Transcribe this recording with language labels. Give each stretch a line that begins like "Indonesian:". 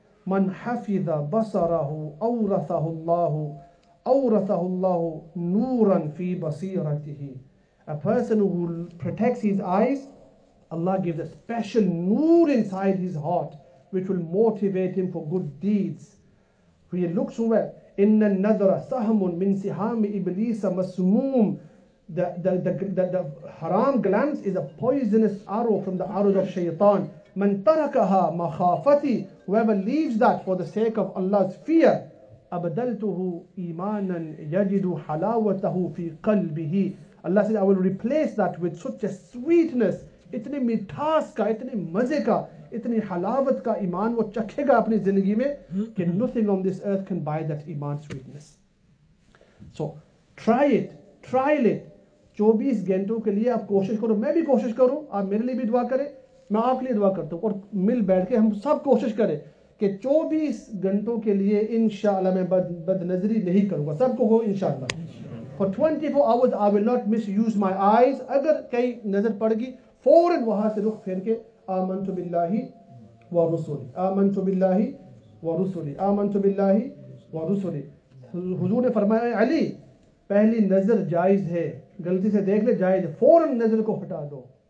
Arabic: من حفظ بصره أورثه الله أورثه الله نورا في بصيرته.
English: A person who protects his eyes, Allah gives a special nur inside his heart which will motivate him for good deeds. He looks well.
Arabic: إن النذر سهم من سهام إبليس مسموم.
English: The haram glance is a poisonous arrow from the arrows of Shaytan.
Arabic: من تركها مخافتي,
English: whoever leaves that for the sake of Allah's fear,
Arabic: أبدلته إيمانا يجد حلاوته في قلبه.
English: Allah says, I will replace that with such a sweetness,
Urdu: اتنی مٹھاس کا, اتنی مزے کا, اتنی حلاوت کا ایمان وہ چکھے گا اپنی زندگی میں, کہ
English: nothing on this earth can buy that
Urdu: ایمان sweetness.
English: So try it, trial it.
Urdu: 24 گھنٹوں کے لیے آپ کوشش کرو, میں بھی کوشش کروں, آپ میرے لیے بھی دعا کریں, میں آپ کے لیے دعا کرتا ہوں, اور مل بیٹھ کے ہم سب کوشش کریں کہ 24 کے لیے انشاءاللہ میں بد نظری نہیں کروں گا. سب کو ہو انشاءاللہ.
English: For 24 hours I will not misuse my eyes.
Urdu: اگر کئی نظر پڑ گی فوراً وہاں سے رخ پھیر کے
Arabic: آمنت باللہ ورسولی, آمنت باللہ ورسولی,
Urdu: آمنت باللہ ورسولی. حضور نے فرمایا علی پہلی نظر جائز ہے, غلطی سے دیکھ لے جائز, فوراً نظر کو ہٹا دو.